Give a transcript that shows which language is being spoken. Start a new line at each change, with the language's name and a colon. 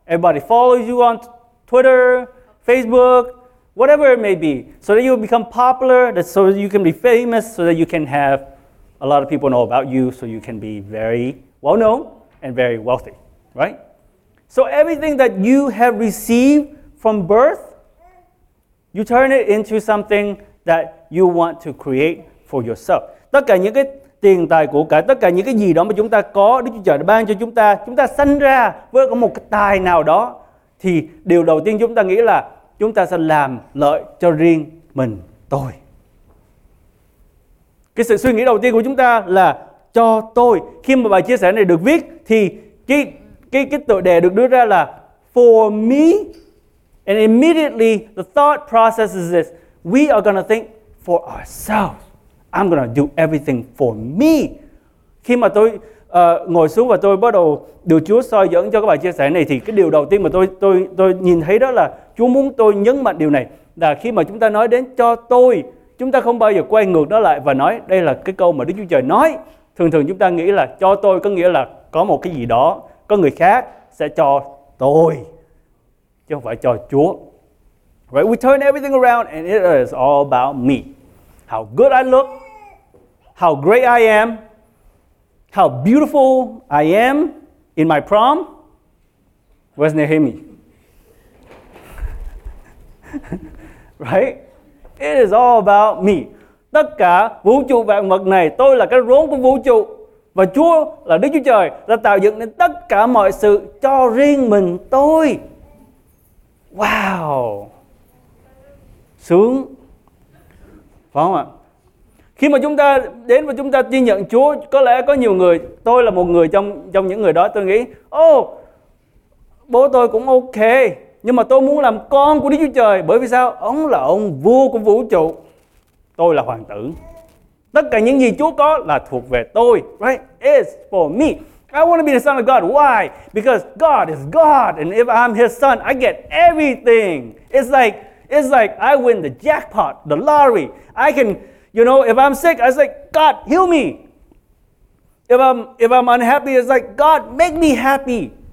English: Everybody follows you on Twitter, Facebook, whatever it may be, so that you become popular, so that you can be famous, so that you can have a lot of people know about you, so you can be very well known and very wealthy, right? So everything that you have received from birth, you turn it into something that you want to create for yourself.
Vietnamese: Tất cả những cái tiền tài của cả, tất cả những cái gì đó mà chúng ta có, Đức Chúa Trời đã ban cho chúng ta sinh ra với có một cái tài nào đó, thì điều đầu tiên chúng ta nghĩ là chúng ta sẽ làm lợi cho riêng mình tôi. Cái sự suy nghĩ đầu tiên của chúng ta là cho tôi. Khi mà bài chia sẻ này được viết thì cái tựa đề được đưa ra là
English: for me. And immediately the thought process is this: we are gonna think for ourselves. I'm gonna do everything for me.
Vietnamese: Khi mà tôi ngồi xuống và tôi bắt đầu được Chúa soi dẫn cho các bài chia sẻ này, thì cái điều đầu tiên mà tôi nhìn thấy đó là Chúa muốn tôi nhấn mạnh điều này, là khi mà chúng ta nói đến cho tôi, chúng ta không bao giờ quay ngược nó lại và nói đây là cái câu mà Đức Chúa Trời nói. Thường thường chúng ta nghĩ là cho tôi có nghĩa là có một cái gì đó, có người khác sẽ cho tôi, chứ không phải cho Chúa.
English: Right? We turn everything around and it is all about me. How good I look, how great I am, how beautiful I am in my prom. Where's Nehemi? Right? It is all about me.
Vietnamese: Tất cả vũ trụ vạn vật này, tôi là cái rốn của vũ trụ. Và Chúa là Đức Chúa Trời đã tạo dựng nên tất cả mọi sự cho riêng mình tôi. Wow. Sướng. Phải không ạ? Khi mà chúng ta đến và chúng ta tin nhận Chúa, có lẽ có nhiều người, tôi là một người trong những người đó, tôi nghĩ, bố tôi cũng ok, nhưng mà tôi muốn làm con của Đức Chúa Trời, bởi vì sao? Ông là ông vua của vũ trụ, tôi là hoàng tử. Tất cả những gì Chúa có là thuộc về tôi,
English: right? It's for me. I want to be the son of God. Why? Because God is God, and if I'm his son, I get everything. It's like I win the jackpot, the lottery. I can... You know, if I'm sick, I say, God, heal me. If I'm unhappy, it's like, God, make me happy.